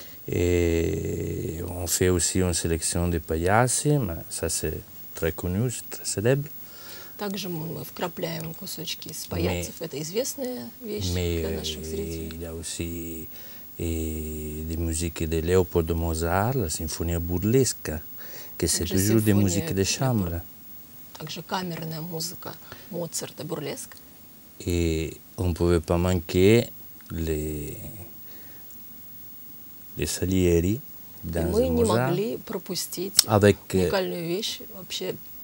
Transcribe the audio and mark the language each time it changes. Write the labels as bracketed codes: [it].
[fr] E on fait aussi une sélection de paillassi, ma ça c'est très connu, c'est très célèbre. [ru] Также мы вкрапляем кусочки из паяльцев. Это известная вещь для наших зрителей. [fr] Il y a aussi des musiques de Léopold Mozart, la symphonie burlesque, que c'est toujours des musiques de chambre. [ru] Также камерная музыка Моцарта, бурлеск. [fr] Et on ne pouvait pas manquer les Salieri dans Mozart. [ru] Мы не могли пропустить уникальную вещь вообще.